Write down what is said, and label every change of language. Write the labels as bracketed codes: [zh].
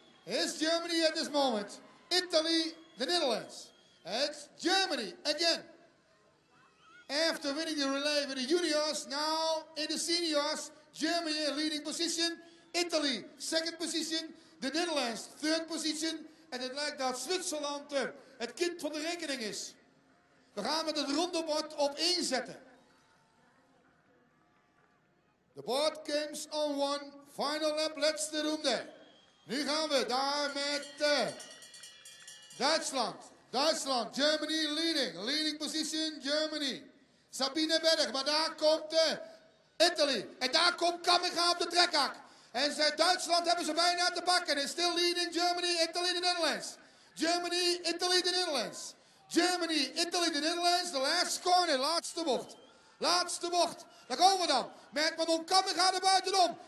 [en] It's Germany at this moment. Italy, the Netherlands. It's Germany again. After winning the relay with the juniors, now in the seniors, Germany in leading position. Italy, second position. The Netherlands, third position. [nl] En het lijkt dat Zwitserland het kind van de rekening is. We gaan met het rondebord op 1 zetten. [en] The board comes on 1. Final lap, let's the room there. [nl] Nu gaan we daar met Duitsland. [en] Duitsland, Germany leading. Leading position, Germany. [nl] Sabine Berg, maar daar komt Italy. En daar komt Kamminga op de trekhaak. En Duitsland hebben ze bijna te pakken. [en] It's still leading Germany, Italy, the Netherlands. Germany, Italy, the Netherlands. Germany, Italy, the Netherlands. The last corner, [nl] laatste bocht. Laatste bocht. Daar komen we dan. Met Manon Kamminga naar buitenom.